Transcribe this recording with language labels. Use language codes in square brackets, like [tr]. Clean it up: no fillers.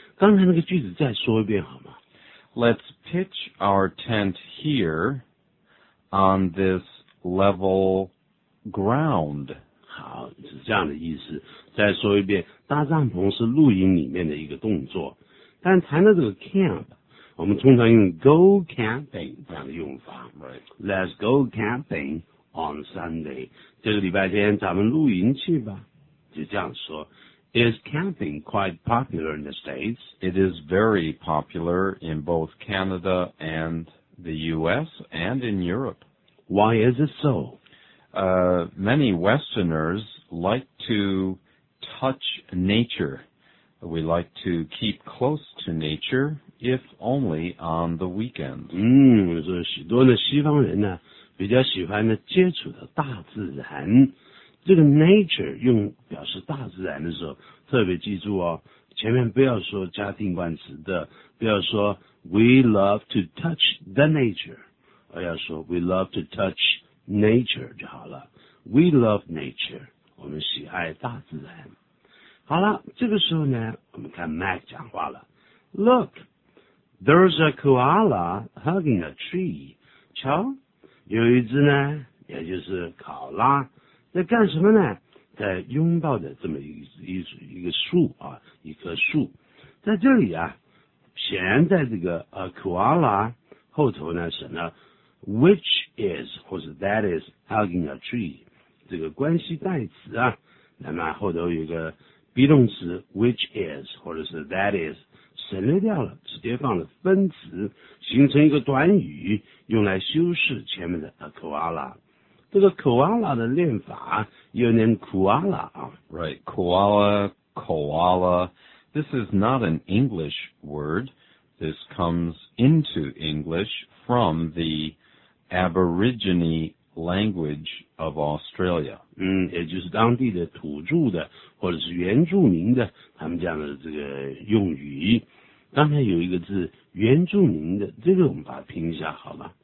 [zh] 刚才那个句子再说一遍好吗？ [en] Let's pitch our tent here on this level ground. [zh] 好，是这样的意思。再说一遍，搭帐篷是露营里面的一个动作。但谈到这个 camp, 我们通常用 [en] go camping [zh] 这样的用法。 [en] Right. Let's go camping on Sunday. [zh] 这个礼拜天咱们露营去吧。就这样说。 [en] Is camping quite popular in the States? It is very popular in both Canada and the US and in Europe. Why is it so? Many Westerners like to touch nature. We like to keep close to nature, if only on the weekend. [zh] 所以许多的西方人呢，比较喜欢呢接触的大自然。这个 nature 用表示大自然的时候，特别记住哦，前面不要说加定冠词的，不要说 [en] we love to touch the nature, [zh] 而要说 [en] we love to touch nature [zh] 就好了。 [en] We love nature, [zh] 我们喜爱大自然。好了，这个时候呢，我们看 Mac 讲话了。 [en] Look, there's a koala hugging a tree. [zh] 瞧，有一只呢，也就是考拉。在干什么呢？在拥抱着这么一个树啊，一棵树。在这里啊，显然在这个koala 后头呢，省了 which is 或者 [en] that is hugging a tree [zh] 这个关系代词啊，那么后头有一个 be 动词 which is 或者是 that is 省略掉了，直接放了分词，形成一个短语，用来修饰前面的 koala。这个 koala 的念法又念 koala 啊 [en] ，right koala koala. This is not an English word. This comes into English from the Aborigine language of Australia. [zh] 也就是当地的土著的或者是原住民的他们讲的这个用语。刚才有一个字原住民的，这个我们把它拼一下好吗